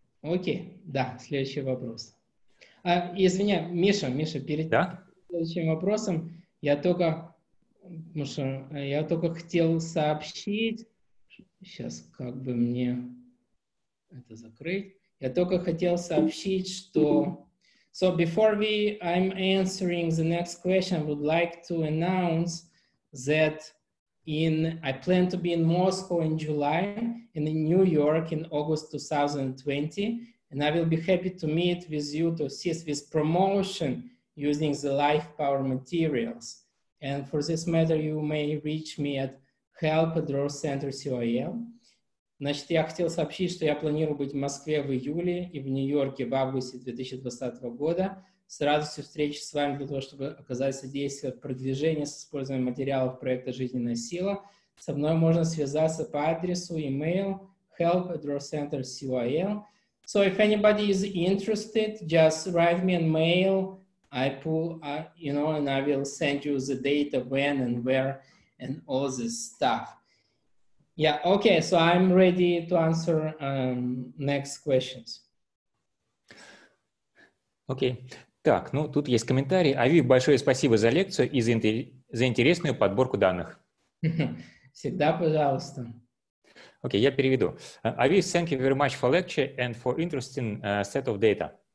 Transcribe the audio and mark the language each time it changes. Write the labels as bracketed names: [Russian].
[Russian] Окей, да, следующий вопрос. Извиняюсь, Миша, перед следующим вопросом я только хотел сообщить, сейчас как бы мне это закрыть, я только хотел сообщить, что... [English] So before I'm answering the next question, I would like to announce that I plan to be in Moscow in July and in New York in August 2020. And I will be happy to meet with you to assist with promotion using the Life Power materials. And for this matter, you may reach me at help@drawcenter.coil. [Russian] Значит, я хотел сообщить, что я планирую быть в Москве в июле и в Нью-Йорке в августе 2020 года. С радостью встречи с вами для того, чтобы оказать содействие в продвижении с использованием материалов проекта «Жизненная сила». Со мной можно связаться по адресу email help@drawcenter.coil. [English] So if anybody is interested, just write me an mail. I will send you the data when and where and all this stuff. Yeah, okay, so I'm ready to answer next questions. [Russian] Okay, так, ну тут есть комментарий. Ави, большое спасибо за лекцию и за интересную подборку данных. Всегда пожалуйста. Okay, я переведу. [English] Ави, thank you very much for lecture and for interesting set of data.